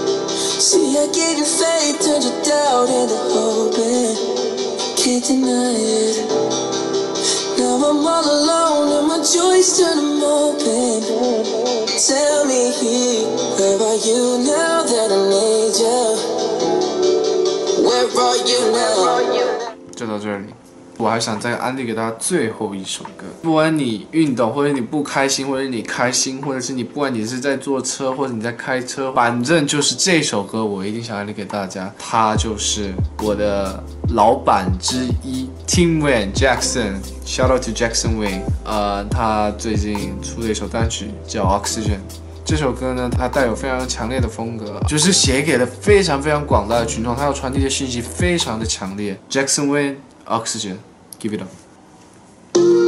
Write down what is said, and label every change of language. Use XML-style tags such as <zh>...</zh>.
<en>See, I gave you faith, turned your doubt into hoping. Can't deny it. Now I'm all alone and my joys turn them open. Tell me, where are you now that I need you? Where are you now?</en> <zh>就到这里。我还想再安利给大家最后一首歌，不管你运动或者你不开心或者你开心，或者是你不管你是在坐车或者你在开车，反正就是这首歌我一定想安利给大家，它就是我的老板之一 Tim Wayne Jackson，</zh> <en>Shout out to Jackson Wayne。</en> <zh>他最近出了一首单曲叫 Oxygen，这首歌呢，它带有非常强烈的风格，就是写给了非常非常广大的群众，它要传递的信息非常的强烈。</zh> <en>Jackson WayneOxygen, give it up.</en>